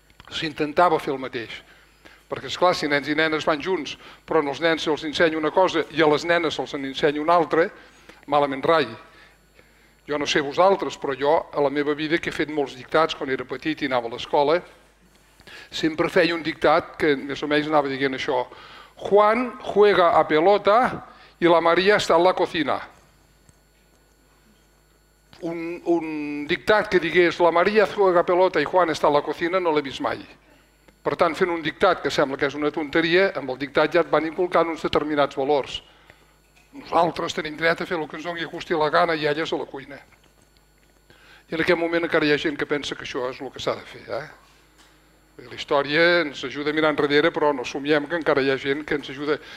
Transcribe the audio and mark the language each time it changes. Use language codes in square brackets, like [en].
[ca] S'intentava fer el mateix. Perquè, és clar, si nens i nenes van junts, però als nens se'ls ensenya una cosa i a les nenes se'ls ensenya una altra, malament rai. Jo no sé vosaltres, però jo, a la meva vida, que he fet molts dictats quan era petit i anava a l'escola, sempre feia un dictat que més o menys anava dient això. [es] Juan juega a pelota y la María está en la cocina. [ca] Un dictat que digués [es] la María juega a pelota y Juan está en la cocina [ca] no l'he vist mai. Per tant, fent un dictat que sembla que és una tonteria, amb el dictat ja et van inculcant uns determinats valors. Nosaltres tenim dret a fer el que ens doni a gust i la gana i elles a la cuina. I en aquest moment encara hi ha gent que pensa que això és el que s'ha de fer. La història ens ajuda a mirar enrere, però no somiem que encara hi ha gent que ens ajuda.